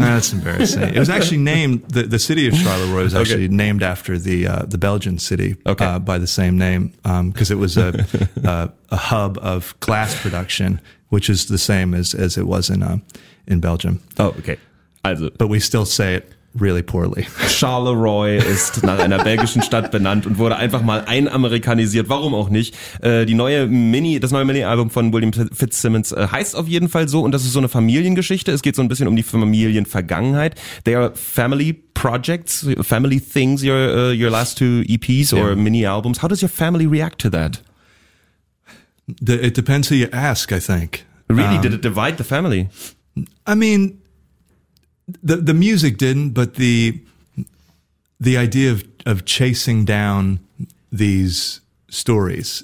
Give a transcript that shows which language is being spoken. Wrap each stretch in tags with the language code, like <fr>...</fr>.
<en>No, that's embarrassing. It was actually named the city of Charleroi was actually okay. named after the Belgian city okay. By the same name because it was a hub of glass production, which is the same as it was in Belgium. Oh, okay. But we still say it really poorly.</en> <de>Charleroi ist nach einer belgischen Stadt benannt und wurde einfach mal einamerikanisiert. Warum auch nicht? Das neue Mini-Album von William Fitzsimmons heißt auf jeden Fall so. Und das ist so eine Familiengeschichte. Es geht so ein bisschen um die Familienvergangenheit.</de> <en>They are family projects, family things, your last two EPs or yeah. mini-albums. How does your family react to that? It depends who you ask, I think. Really? Did it divide the family? I mean... The music didn't, but the idea of chasing down these stories.</en>